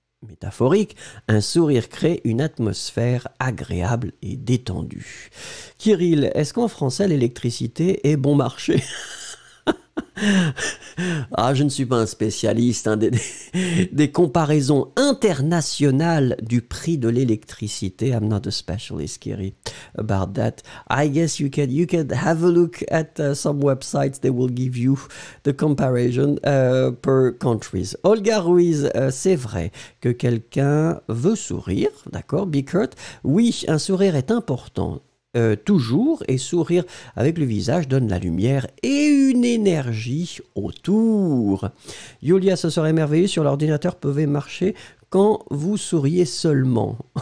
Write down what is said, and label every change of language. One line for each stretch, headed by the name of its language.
French: Métaphorique, un sourire crée une atmosphère agréable et détendue. Kirill, est-ce qu'en français l'électricité est bon marché? Ah, je ne suis pas un spécialiste hein, des comparaisons internationales du prix de l'électricité.
English: I'm not a specialist, Kiri, about that. I guess you can have a look at some websites. They will give you the comparison per countries.
French: Olga Ruiz, c'est vrai que quelqu'un veut sourire, d'accord,
English: be curt.
French: Oui, un sourire est important. Toujours, et sourire avec le visage donne la lumière et une énergie autour. Yulia, ce serait merveilleux si l'ordinateur pouvait marcher quand vous souriez seulement.